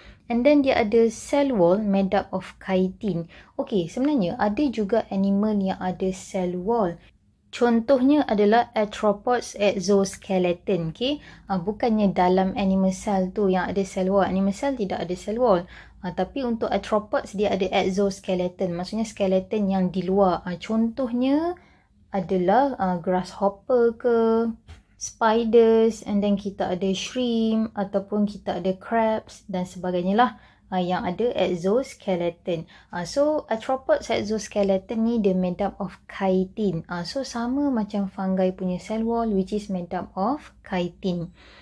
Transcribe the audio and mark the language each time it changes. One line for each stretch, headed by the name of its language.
English: And then,
Malay: dia ada
English: cell wall made up of chitin.
Malay: Okay, sebenarnya ada juga animal yang ada cell wall. Contohnya adalah arthropods exoskeleton. Okay? Bukannya dalam animal cell tu yang ada cell wall. Animal cell tidak ada cell wall. Tapi untuk arthropods dia ada exoskeleton. Maksudnya skeleton yang di luar. Contohnya adalah grasshopper ke, spiders, and then kita ada shrimp ataupun kita ada crabs dan sebagainya lah. Yang ada exoskeleton.
English: So, arthropods exoskeleton
Malay: ni dia
English: made up of chitin. So,
Malay: sama macam fungi punya
English: cell wall which is made up of chitin.